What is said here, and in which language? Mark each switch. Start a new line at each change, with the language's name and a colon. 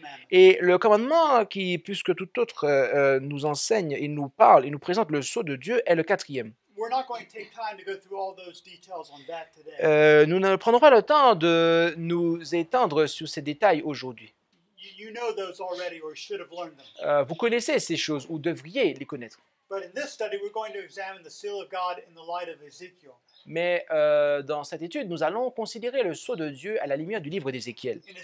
French: Et le commandement qui, plus que tout autre, nous enseigne, il nous parle, il nous présente le sceau de Dieu, est le quatrième. Nous ne prendrons pas le temps de nous étendre sur ces détails aujourd'hui.
English: You know those already or should have learned them.
French: Vous connaissez ces choses ou devriez les connaître.
English: But in this study, we're going to examine the seal of God in the light of Ezekiel.
French: Mais dans cette étude, nous allons considérer le sceau de Dieu à la lumière du livre d'Ézéchiel.